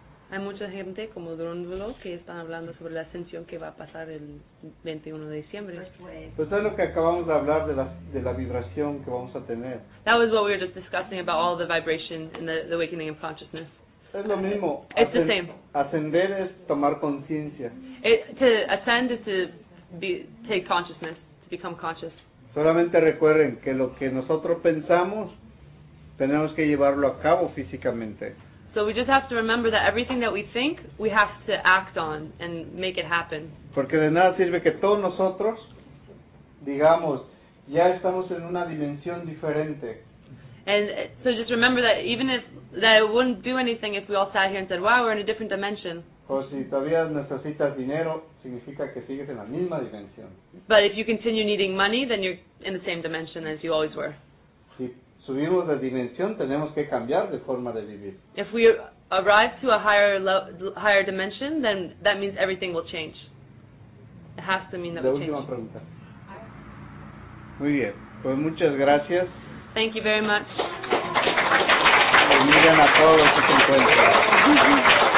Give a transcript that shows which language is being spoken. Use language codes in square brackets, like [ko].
[es] Hay mucha gente como Drúndulo que están hablando sobre la ascensión que va a pasar el 21 de diciembre. Pues es lo que acabamos de hablar de la vibración que vamos a tener. [en] That was what we were just discussing about all the vibration and the awakening of consciousness. [es] Es lo mismo. [en] It's the same. [es] Ascender es tomar conciencia. [en] To ascend is to take consciousness, to become conscious. [es] Solamente recuerden que lo que nosotros pensamos tenemos que llevarlo a cabo físicamente. [en] So we just have to remember that everything that we think, we have to act on and make it happen. [es] Porque de nada sirve que todos nosotros digamos, ya estamos en una dimensión diferente. [en] And so just remember that even if, that it wouldn't do anything if we all sat here and said, wow, we're in a different dimension. [es] O si todavía necesitas dinero, significa que sigues en la misma dimensión. [en] But if you continue needing money, then you're in the same dimension as you always were. [es] Sí. Subimos de dimensión, tenemos que cambiar de forma de vivir. [en] If we arrive to a higher dimension, then that means everything will change. It has to mean that we change. [es] La última pregunta. Muy bien. Pues muchas gracias. [en] Thank you very much. [es] Bienvenidos a todos los que se encuentran.